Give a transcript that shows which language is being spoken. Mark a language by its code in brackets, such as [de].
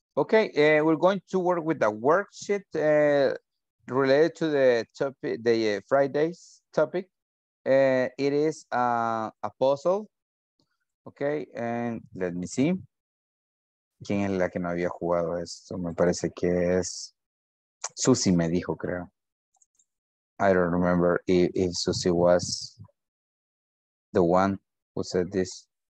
[en] Okay, we're going to work with the worksheet related to the topic, the Friday's topic. It is a puzzle, okay, and let me see. [es] ¿Quién es la que no había jugado esto? Me parece que es, Susi me dijo, creo. [en] I don't remember if Susie was the one who said this.